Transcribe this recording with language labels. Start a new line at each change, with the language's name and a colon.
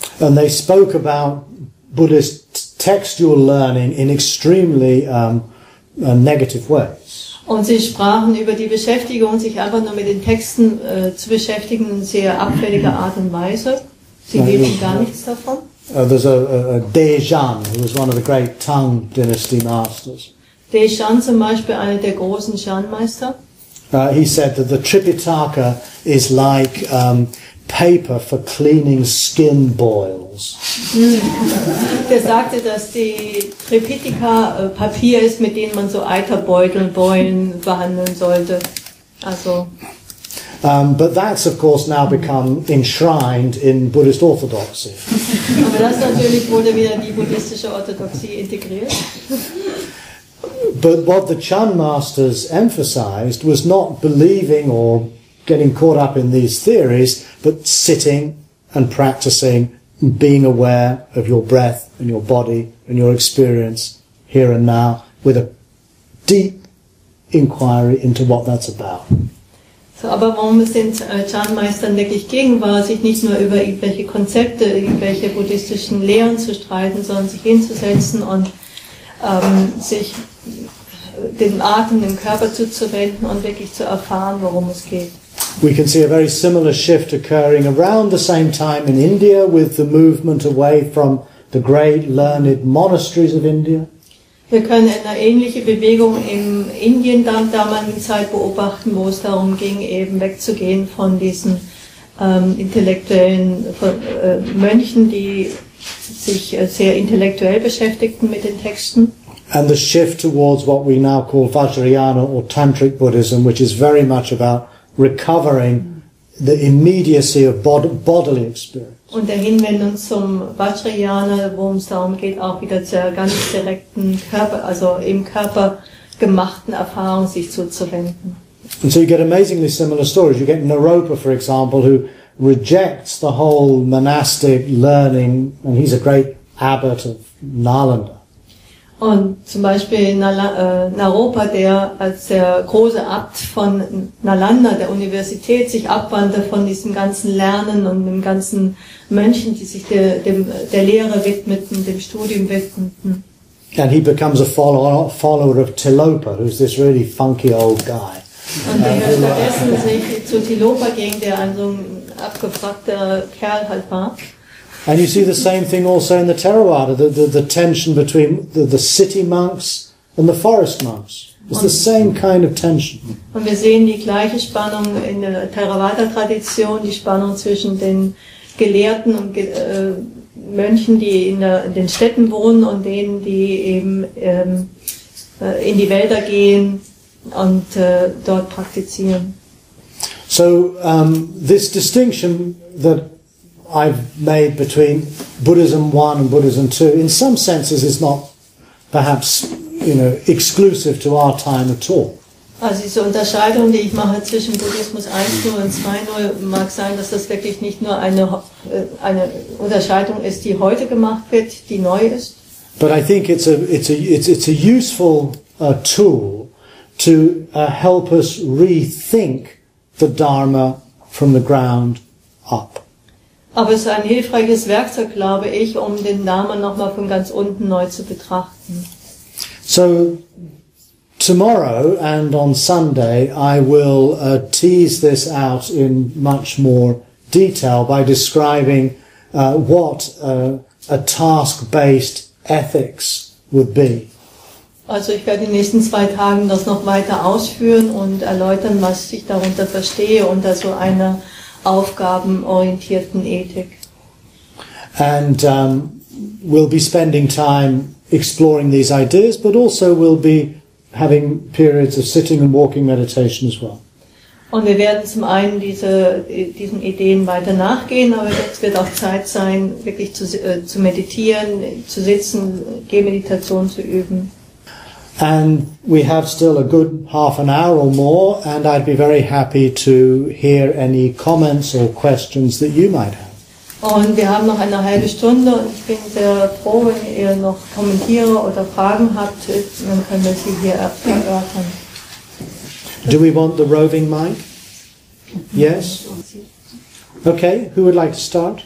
English: And they spoke about Buddhist textual learning in extremely negative ways.
German: Und sie sprachen über die Beschäftigung, sich einfach nur mit den Texten zu beschäftigen, in sehr abfälliger Art und Weise. Sie lebten gar nichts davon.
English: There's a Dejan, who was one of the great Tang Dynasty masters.
German: Dejan zum Beispiel, einer der großen Shan-Meister.
English: He said that the Tripitaka is like paper for cleaning skin boils.
German: Der sagte, dass die Tripitaka Papier ist, mit denen man so Eiterbeutel, Beulen behandeln sollte. Also.
English: But that's of course now become enshrined in Buddhist orthodoxy.
German: Aber das natürlich wurde wieder in die buddhistische Orthodoxie integriert.
English: But what the Chan masters emphasized was not believing or getting caught up in these theories, but sitting and practicing, being aware of your breath and your body and your experience here and now with a deep inquiry into what that's about.
German: So, aber warum es den Chan-Meistern wirklich ging, war, sich nicht nur über irgendwelche Konzepte, irgendwelche buddhistischen Lehren zu streiten, sondern sich hinzusetzen und sich dem Atem, dem Körper zuzuwenden und wirklich zu erfahren, worum es geht.
English: We can see a very similar shift occurring around the same time in India with the movement away from the great learned monasteries of India.
German: Wir können eine ähnliche Bewegung in Indien dann damaligen Zeit beobachten, wo es darum ging, eben wegzugehen von diesen intellektuellen Mönchen, die sich sehr intellektuell beschäftigten mit den Texten.
English: And the shift towards what we now call Vajrayana or Tantric Buddhism, which is very much about recovering the immediacy of bodily experience.
German: Und der Hinwendung zum Vajrayana, worum es darum geht, auch wieder zur ganz direkten Körper, also im Körper gemachten Erfahrung sich zuzuwenden.
English: And so you get amazingly similar stories. You get Naropa, for example, who rejects the whole monastic learning, and he's a great abbot of Nalanda.
German: Und zum Beispiel Naropa, der als der große Abt von Nalanda, der Universität, sich abwandte von diesem ganzen Lernen und dem ganzen Mönchen, die sich der Lehre widmeten, dem Studium widmeten.
English: And he becomes a follower of Tilopa, who's this really funky old guy.
German: Und der stattdessen sich zu Tilopa ging, der ein so ein abgefragter Kerl halt war.
English: And you see the same thing also in the Theravada, the tension between the city monks and the forest monks. It's the same kind of tension.
German: Und wir sehen die gleiche Spannung in der Theravada-Tradition, die Spannung zwischen den Gelehrten und Mönchen, die in den Städten wohnen und denen, die eben in die Wälder gehen und dort praktizieren.
English: So this distinction that I've made between Buddhism 1 and Buddhism 2, in some senses is not perhaps, you know, exclusive to our time at all.
German: Also diese Unterscheidung, die ich mache zwischen Buddhismus 1.0 und 2.0, mag sein, dass das wirklich nicht nur eine Unterscheidung ist, die heute gemacht wird, die neu ist.
English: But I think it's a useful tool to help us rethink the Dharma from the ground up.
German: Aber es ist ein hilfreiches Werkzeug, glaube ich, um den Dharma nochmal von ganz unten neu zu betrachten.
English: So, tomorrow and on Sunday, I will tease this out in much more detail by describing what a task-based ethics would be.
German: Also ich werde die nächsten zwei Tagen das noch weiter ausführen und erläutern, was ich darunter verstehe unter so einer aufgabenorientierten Ethik.
English: And we'll be spending time exploring these ideas, but also we'll be having periods of sitting and walking meditation as well.
German: Und wir werden zum einen diesen Ideen weiter nachgehen, aber jetzt wird auch Zeit sein, wirklich zu meditieren, zu sitzen, Gehmeditation zu üben.
English: And we have still a good half an hour or more, and I'd be very happy to hear any comments or questions that you might have.
German: Und wir haben noch eine halbe Stunde, und ich bin sehr froh, wenn ihr noch Kommentare oder Fragen habt, dann können wir sie hier erörtern.
English: Do we want the roving mic? Yes? Okay, who would like to start?